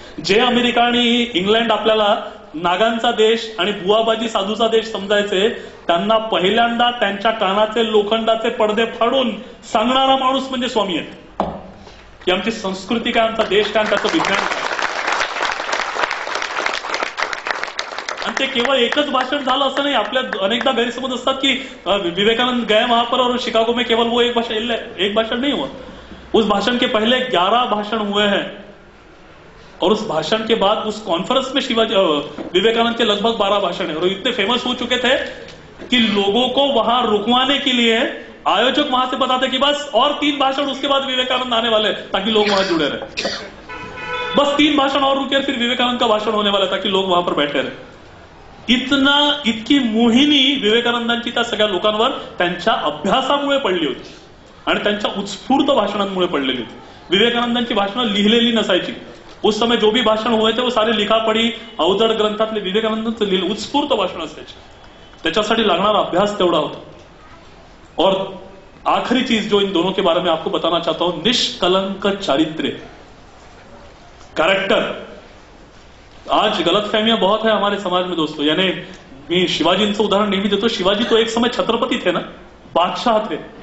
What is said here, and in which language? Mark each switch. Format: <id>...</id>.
<mr>जे अमेरिका आणि इंग्लंड आपल्याला नागांचा देश आणि बुवाबाजी साधूचा देश समजायचे, त्यांना पहिल्यांदा त्यांच्या कानाचे लोखंडाचे पडदे फाडून सांगणारा माणूस म्हणजे स्वामी आहे, की आमची संस्कृती काय, आमचा देश काय, त्याचं विज्ञान। आणि ते केवळ एकच भाषण झालं असं नाही, आपल्या अनेकदा गैरसमज असतात की</mr> <hi>विवेकानंद गए महापर और शिकागो में केवल वो एक भाषण नहीं हुआ, उस भाषण के पहले 11 भाषण हुए हैं, और उस भाषण के बाद उस कॉन्फ्रेंस में शिवाजी विवेकानंद के लगभग 12 भाषण है, और इतने फेमस हो चुके थे कि लोगों को वहां रुकवाने के लिए आयोजक वहां से बताते कि बस और 3 भाषण उसके बाद विवेकानंद आने वाले, ताकि लोग वहां जुड़े रहे, बस 3 भाषण और रुके फिर विवेकानंद का भाषण होने वाला, ताकि लोग वहां पर बैठे रहे।</hi> <mr>इतना इतकी मोहिनी विवेकानंदांची त्या सगळ्या लोकांवर त्यांच्या अभ्यासामुळे पडली होती आणि त्यांच्या उत्स्फूर्त भाषणांमुळे पडलेली होती। विवेकानंदांची भाषण लिहिलेली नसायची,</mr> <hi>उस समय जो भी भाषण हुए थे वो सारे लिखा पडी</hi> <mr>अवजड ग्रंथातले, विवेकानंदांचं लिहिलेलं उत्स्फूर्त भाषण असायचे, त्याच्यासाठी लागणारा अभ्यास तेवढा होता।</mr> <hi>और आखरी चीज जो इन दोनों के बारे में आपको बताना चाहता हूं, निष्कलंक चारित्र्य, कॅरेक्टर, आज गलत फहमियां बहुत है हमारे समाज में दोस्तों। यानी शिवाजी, इनसे उदाहरण नहीं भी देते, शिवाजी तो एक समय छत्रपति थे ना, बादशाह थे।</hi>